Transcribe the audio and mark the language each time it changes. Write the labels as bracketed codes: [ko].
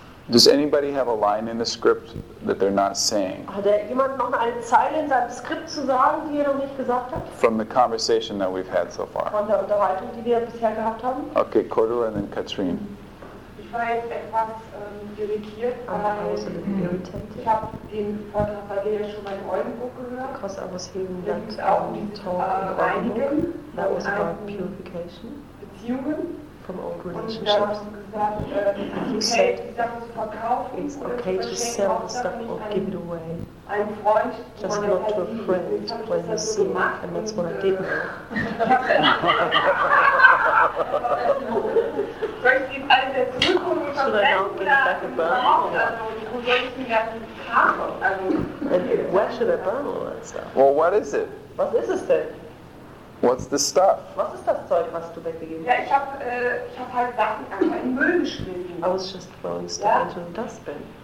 [en] Does anybody have a line in the script that they're not saying? [de] Hat er jemand noch eine Zeile in seinem Skript zu sagen, die er noch nicht gesagt hat? [en] From the conversation that we've had so far. [de] Von der Unterhaltung, die wir bisher gehabt haben. [en] Okay, Cordula and then Katrin. [de] Ich war jetzt etwas irritiert, weil ich habe den Vortrag bei dir schon beim Eulenbuch gehört. [en] Because I was hearing that talk in that was about purification. [de] Beziehungen. [en] From old relationships. And you said it's okay to sell the stuff or give it away. Just not to a friend when you see it. And that's what I did. Should I now bring it back and burn all that? And where should I burn all that stuff? Well, what is it? [de] Was ist es denn? [en] What's the stuff? [de] Was ist das Zeug, was du weggegeben hast? Ja, ich hab halt Sachen einfach in den Müll geschmissen. [en] I was just throwing stuff into the dustbin.